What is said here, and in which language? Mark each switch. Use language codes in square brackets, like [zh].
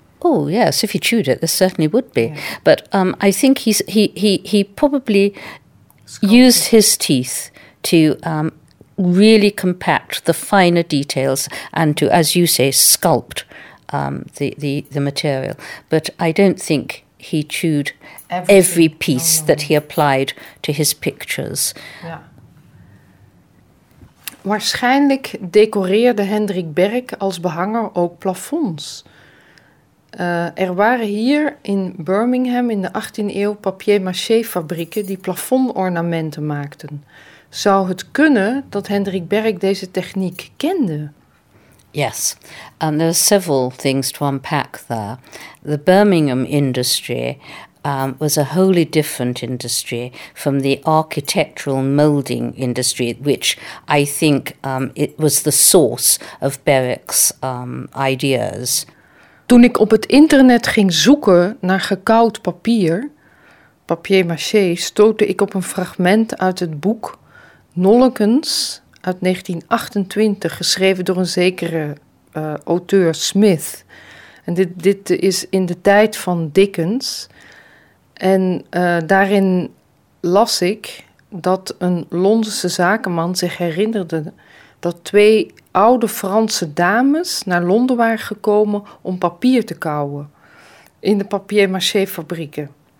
[en] Oh, yes, if he chewed it, there certainly would be. Yeah. But I think he probably used his teeth to really compact the finer details and to, as you say, sculpt the material. But I don't think he chewed every piece that he applied to his pictures. [nl] Ja. Waarschijnlijk decoreerde Hendrik Berk als behanger ook plafonds. Er waren hier in Birmingham in de 18e eeuw papier-mâché-fabrieken die plafondornamenten maakten. Zou het kunnen dat Hendrik Berk deze techniek kende? [en] Yes, and there are several things to unpack there. The Birmingham industry was a wholly different industry from the architectural moulding industry, which I think it was the source of Berk's ideas. [nl] Toen ik op het internet ging zoeken naar gekauwd papier, papier-mâché, stootte ik op een fragment uit het boek Nollekens uit 1928, geschreven door een zekere auteur Smith. En dit is in de tijd van Dickens. En daarin las ik dat een Londense zakenman zich herinnerde dat twee oude Franse dames naar Londen waren gekomen om papier te kauwen in de papier-mâché-fabrieken.